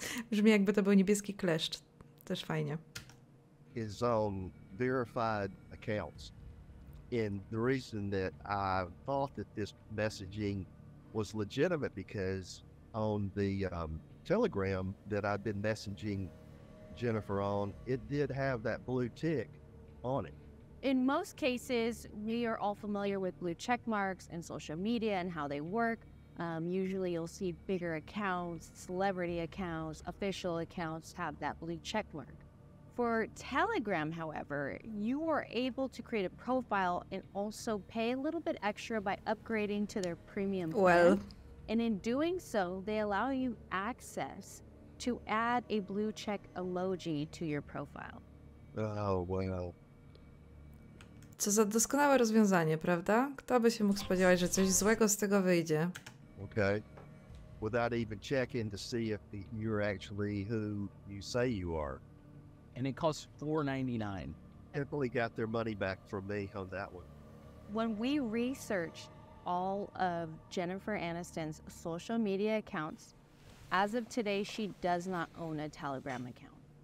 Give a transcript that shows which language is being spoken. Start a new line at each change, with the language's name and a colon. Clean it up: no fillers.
Polish: Brzmi jakby to był niebieski kleszcz. Też fajnie.
English: Is on verified accounts. And the reason that I thought that this messaging was legitimate because on the Telegram that I'd been messaging Jennifer on, it did have that blue tick on it. In most cases, we are all familiar with blue check marks and social media and how they work. Usually you'll see bigger accounts, celebrity accounts, official accounts have that blue check mark. For Telegram, however, you were able to create a profile and also pay a little bit extra by upgrading to their premium plan. Well. And in doing so, they allow you access to add a blue check emoji to your profile. Oh, well.
Polish: Co za doskonałe rozwiązanie, prawda? Kto by się mógł spodziewać, że coś złego z tego wyjdzie?
English: Okay. Without even checking to see if you're actually who you say you are. And it costs $4.99. Definitely got their money back from me on that one. When we researched all of Jennifer Aniston's social media accounts, as of today, she does not own a Telegram account.